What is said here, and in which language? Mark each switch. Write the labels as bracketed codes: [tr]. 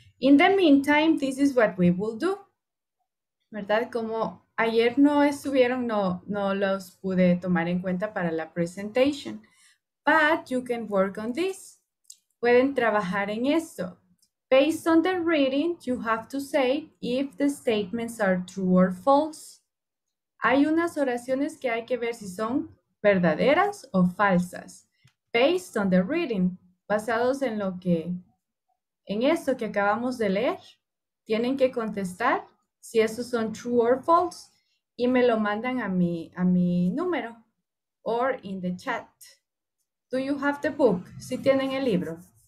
[en] In the meantime, this is what we will do. [es] ¿Verdad? Como ayer no estuvieron, no los pude tomar en cuenta para la presentation. [en] But you can work on this. [es] Pueden trabajar en esto. [en] Based on the reading, you have to say if the statements are true or false. [es] Hay unas oraciones que hay que ver si son verdaderas o falsas. [en] Based on the reading, [es] basados en lo que, en esto que acabamos de leer, tienen que contestar si esos son [en] true or false [es] y me lo mandan a mi número [en] or in the chat. Do you have the book? [es] ¿Sí tienen el libro?